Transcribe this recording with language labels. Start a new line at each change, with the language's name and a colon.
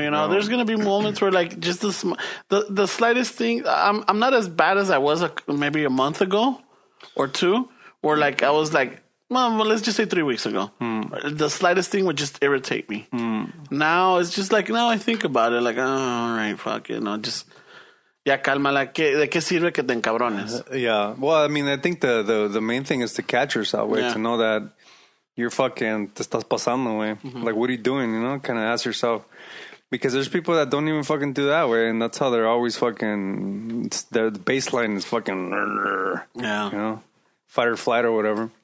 English: You know, there's gonna be moments where like just the slightest thing. I'm not as bad as I was maybe a month ago or two, where like I was like, well, let's just say 3 weeks ago, the slightest thing would just irritate me. Now it's just like now I think about it, like, oh, all right, fuck it, no, just.
Spanish: Ya cálmala, ¿de qué sirve que te encabrones?
English: Yeah, well, I mean, I think the main thing is to catch yourself, way, to know that you're fucking,
Spanish: te estás pasando,
English: way. Like, what are you doing, you know, kind of ask yourself. Because there's people that don't even fucking do that, way, and that's how they're always fucking, their baseline is fucking, you know, fight or flight or whatever.